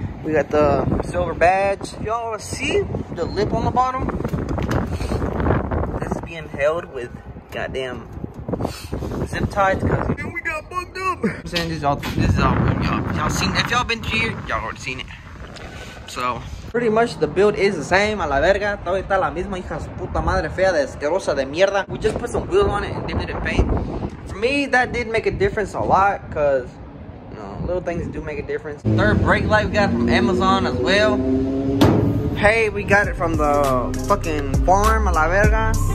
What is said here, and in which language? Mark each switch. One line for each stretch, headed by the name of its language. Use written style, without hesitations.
English: We got the silver badge. Y'all see the lip on the bottom? This is being held with goddamn zip ties because then we got bugged up. I'm saying this is all y'all seen. If y'all been here, y'all already seen it. So pretty much the build is the same,
Spanish: a la verga. Todo está la misma hija su puta madre fea de asquerosa de mierda.
English: We just put some glue on it and dipped it in paint. For me, that did make a difference a lot because, you know, little things do make a difference. Third brake light we got from Amazon as well. Hey, we got it from the fucking farm,
Spanish: a la verga.